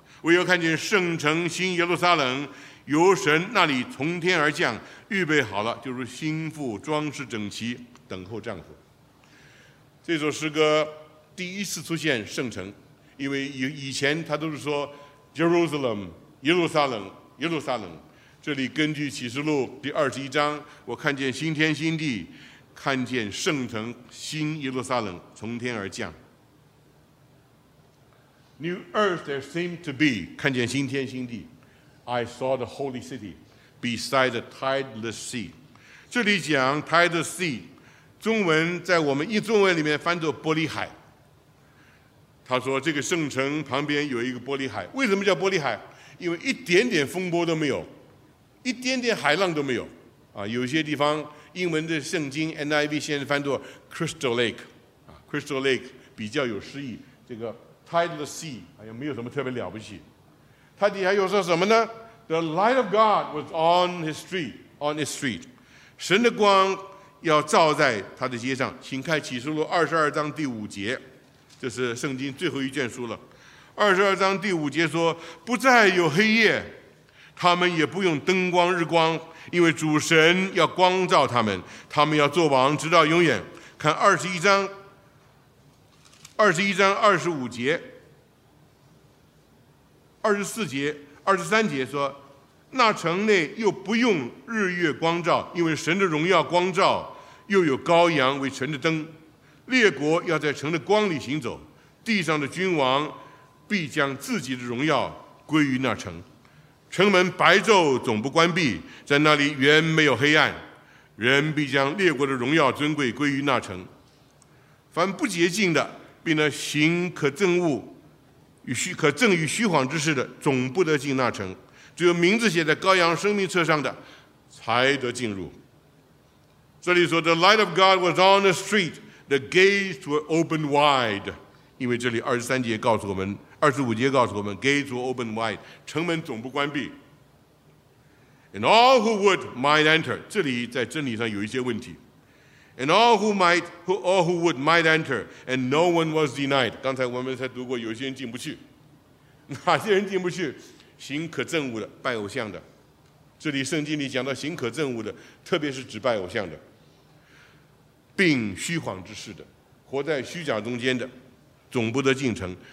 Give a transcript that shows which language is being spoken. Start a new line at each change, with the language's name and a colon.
Chinese: 我又看见圣城新耶路撒冷由神那里从天而降，预备好了，就是心腹装饰整齐，等候丈夫。这首诗歌第一次出现圣城，因为以前他都是说 Jerusalem 耶路撒冷耶路撒冷，这里根据启示录第二十一章，我看见新天新地，看见圣城新耶路撒冷从天而降。
English: New earth there seemed to be，
Chinese: 看见新天新地。
English: I saw the holy city beside the tideless sea。
Chinese: 这里讲 tideless sea， 中文在我们一中文里面翻作玻璃海。他说这个圣城旁边有一个玻璃海，为什么叫玻璃海？因为一点点风波都没有，一点点海浪都没有啊。有些地方英文的圣经 NIV 现在翻作 Crystal Lake， Crystal Lake 比较有诗意，这个 Tideless Sea 好像没有什么特别了不起。他底下又说什么呢？
English: The light of God was on his street， on his street，
Chinese: 神的光要照在他的街上。请看启示录二十二章第五节，这是圣经最后一卷书了。二十二章第五节说，不再有黑夜，他们也不用灯光日光，因为主神要光照他们，他们要作王直到永远。看二十一章，二十一章二十五节，二十四节，二十三节说，那城内又不用日月光照，因为神的荣耀光照，又有羔羊为城的灯，列国要在城的光里行走，地上的君王必将自己的荣耀归于那城。城门白昼总不关闭，在那里原没有黑暗，人必将列国的荣耀尊贵归于那城。凡不洁净的，并那行可憎恶与虚可憎与虚谎之事的，总不得进那城，只有名字写在羔羊生命册上的才得进入。这里说
English: The light of God was on the street, the gates were opened wide。
Chinese: 因为这里二十三节告诉我们，二十五节告诉我们 ，
English: Gates were open wide，
Chinese: 城门总不关闭。
English: And all who would might enter，
Chinese: 这里在真理上有一些问题。
English: And all who might， all who would might enter， and no one was denied。
Chinese: 刚才我们才读过，有些人进不去，哪些人进不去？行可憎恶的，拜偶像的。这里圣经里讲到行可憎恶的，特别是指拜偶像的，并虚谎之事的，活在虚假中间的，总不得进城。